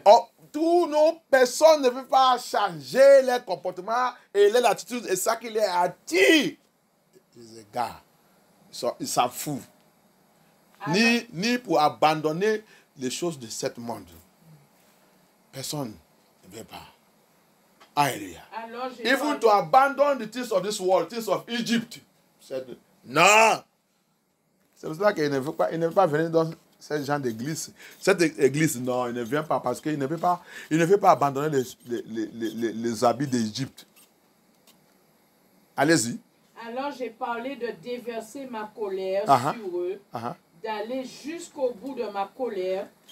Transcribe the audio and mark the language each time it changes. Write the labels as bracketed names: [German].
[French] Oh, tous nos personnes ne veulent pas changer leur comportement et leur attitude. Et ça qui les attire, les égards, ils s'en foutent. Ni pour abandonner les choses de ce monde. Personne ne veut pas. Alléluia. [English] Even to abandon the things of this world, things of Egypt, said, non. [French] C'est pour cela qu'il ne veut pas, venir dans ce genre d'église. Cette église, non, il ne vient pas parce qu'il ne veut pas, abandonner les habits d'Égypte. Allez-y. Alors j'ai parlé de déverser ma colère sur eux, d'aller jusqu'au bout de ma colère.